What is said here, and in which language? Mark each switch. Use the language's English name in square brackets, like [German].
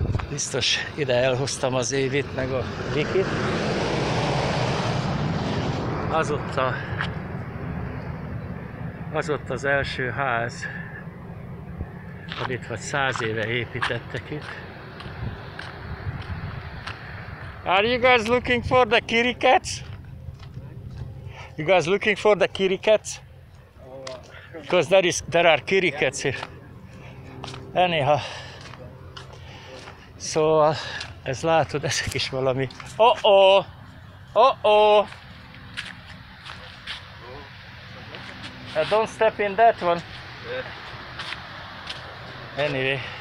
[Hungarian] Biztos ide elhoztam az Évit meg a Vikit. Az ott az első ház, amit vagy 100 éve építettek itt. [English] Are you guys looking for the kitty cats? You guys looking for the kitty cats? Because there are kitty cats here. Anyhow. [Hungarian] Szóval, ez látod, ezek is valami. [English] Oh-oh! Oh-oh! Don't step in that one. Anyway.